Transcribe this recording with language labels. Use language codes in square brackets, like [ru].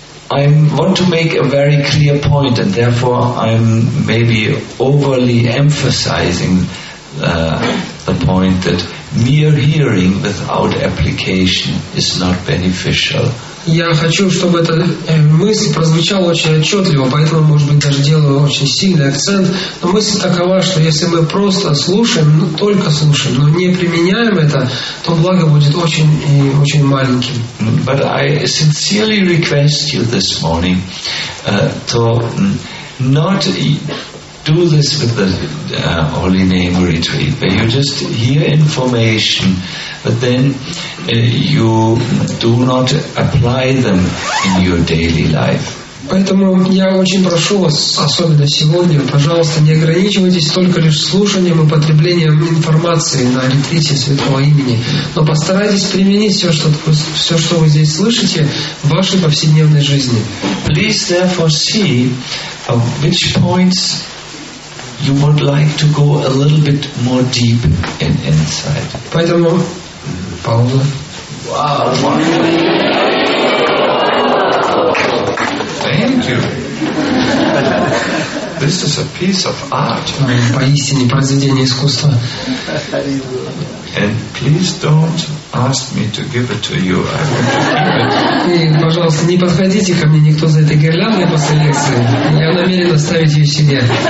[en] I want to make a very clear point, and therefore I'm maybe overly emphasizing the point that mere hearing without application is not beneficial. [ru] Я хочу, чтобы эта мысль прозвучала очень отчетливо, поэтому, может быть, даже делаю очень сильный акцент. Но мысль такова, что если мы просто слушаем, ну, только слушаем, но не применяем это, то благо будет очень и очень маленьким. [en] But I sincerely request you this morning to not do this with the Holy Name Retreat, but you just hear information, but then you do not apply them in your daily life. [ru] Поэтому я очень прошу вас, особенно сегодня, пожалуйста, не ограничивайтесь только лишь слушанием и потреблением информации на ретрите Святого Имени, но постарайтесь применить все, что вы здесь слышите, в вашей повседневной жизни. [en] Please therefore see which points you would like to go a little bit more deep in inside. [ru] Поэтому пауза. [en] Wow, wonderful. Thank you. This is a piece of art. [ru] Поистине произведение искусства. [en] And please don't ask me to give it to you. I want to keep it. [ru] И, пожалуйста, не подходите ко мне никто за этой гирляндой после лекции. Я намерен оставить ее себе.